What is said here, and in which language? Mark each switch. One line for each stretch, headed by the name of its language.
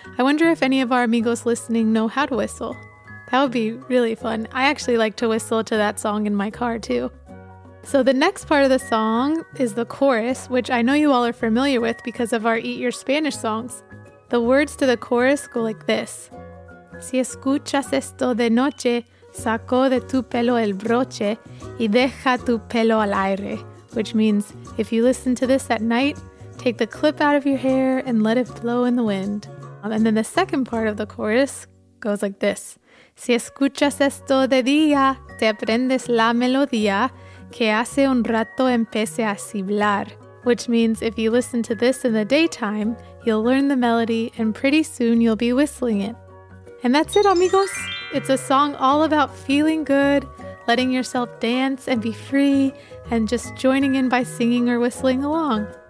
English: I wonder if any of our amigos listening know how to whistle. That would be really fun. I actually like to whistle to that song in my car too. So the next part of the song is the chorus, which I know you all are familiar with because of our Eat Your Spanish songs. The words to the chorus go like this.
Spanish: Si escuchas esto de noche, saco de tu pelo el broche y deja tu pelo al aire.
English: Which means, if you listen to this at night, take the clip out of your hair and let it blow in the wind. And then the second part of the chorus goes like this.
Spanish: Si escuchas esto de día, te aprendes la melodía que hace un rato empecé a hablar.
English: Which means, if you listen to this in the daytime, you'll learn the melody and pretty soon you'll be whistling it. And that's it, amigos. It's a song all about feeling good, letting yourself dance and be free, and just joining in by singing or whistling along.